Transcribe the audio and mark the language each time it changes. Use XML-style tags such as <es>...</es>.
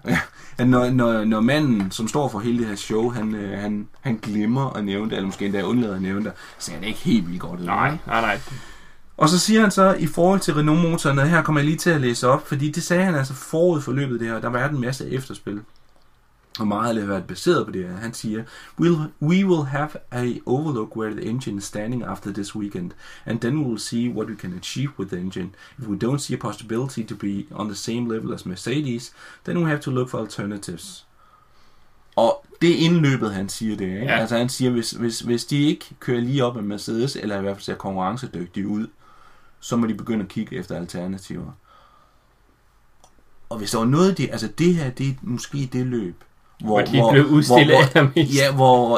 <da>Ja, når manden, som står for hele det her show, han glemmer at nævne det, eller måske endda undlader at nævne det, så er det ikke helt vildt godt. Nej. Og så siger han så, i forhold til Renault-motoren, her kommer jeg lige til at læse op, fordi det sagde han altså forud for løbet der, og der var en masse efterspil. Og meget af det har været baseret på det her.</da> <en>Han siger, we will have a overlook where the engine is standing after this weekend, and then we'll see what we can achieve with the engine. If we don't see a possibility to be on the same level as Mercedes, then we have to look for alternatives.</en> <da>Og det er indløbet, han siger det. Ikke? Ja. Altså han siger, hvis de ikke kører lige op med Mercedes, eller i hvert fald ser konkurrencedygtige ud, så må de begynde at kigge efter alternativer. Og hvis der var noget, de, altså det her, det er måske det løb, hvor</da>